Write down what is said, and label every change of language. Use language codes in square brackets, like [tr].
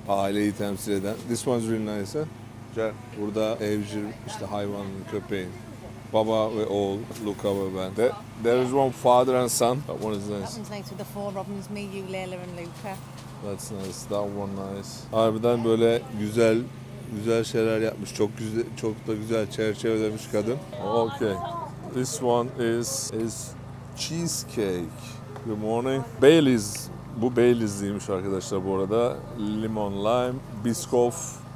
[tr] Aileyi temsil eden. This one's really nice. Yeah. Burada evcil işte hayvan, köpeğin. Baba ve oğul. Luca ve ben. [en] There is one father and son. That one is nice. That one's nice with the four Robins. Me, you, Leila and Luca. That's nice. That one nice. [tr] Harbiden böyle güzel şeyler yapmış. Çok güzel, çok da güzel çerçevelemiş kadın. [en] Okay. This one is cheesecake. Good morning. Bailey's. [tr] Bu Bailey's'liymiş arkadaşlar bu arada. Limon, lime, biscoff.